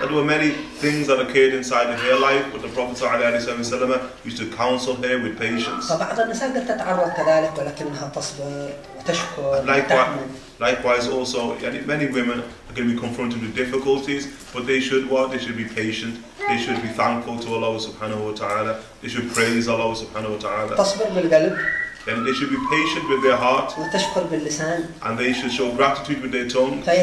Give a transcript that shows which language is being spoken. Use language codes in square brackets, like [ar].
[en] There were many things that occurred inside of her life, but the Prophet sallallahu alayhi wa sallam used to counsel her with patience. [ar] فبعض النساء قد تتعرض كذلك ولكنها تصبر وتشكر وتحمل. [en] Likewise also, [ar] يعني [en] many women are going to be confronted with difficulties, but they should what? They should be patient. They should be thankful to Allah subhanahu wa ta'ala. They should praise Allah subhanahu wa ta'ala. [ar] تصبر بالقلب. [en] And they should be patient with their heart. And they should show gratitude with their tongue.